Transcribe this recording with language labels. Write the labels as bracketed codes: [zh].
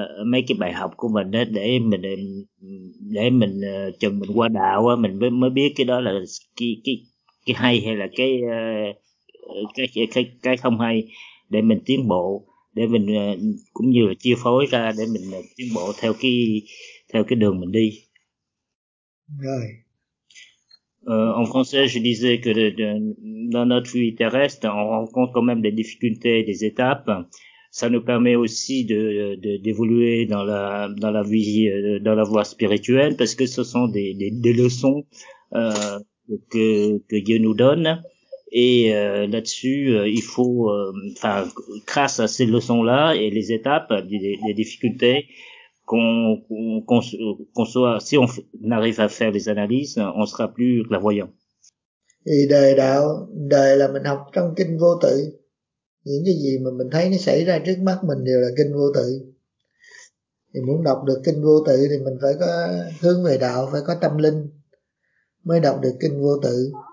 [vi] cái bài học của mình để mình chừng mình qua đạo mình mới biết cái đó là cái hay hay là cái không hay, để mình tiến bộ, để mình cũng như là chia phối ra để mình tiến bộ theo cái đường mình đi. Rồi. [fr] En français, je disais que dans notre vie terrestre, on rencontre quand même des difficultés, des étapes. Ça nous permet aussi d'évoluer dans la vie, dans la voie spirituelle, parce que ce sont des leçons que Dieu nous donne. Et là-dessus, il faut, enfin, grâce à ces leçons-là et les étapes, les difficultés, qu'on soit, si on arrive à faire les analyses, on sera plus clairvoyant. [vi] Thì đời đạo, đời là mình học trong kinh vô tự. Những cái gì mà mình thấy nó xảy ra trước mắt mình đều là kinh vô tự. Thì muốn đọc được kinh vô tự thì mình phải có hướng về đạo, phải có tâm linh mới đọc được kinh vô tự.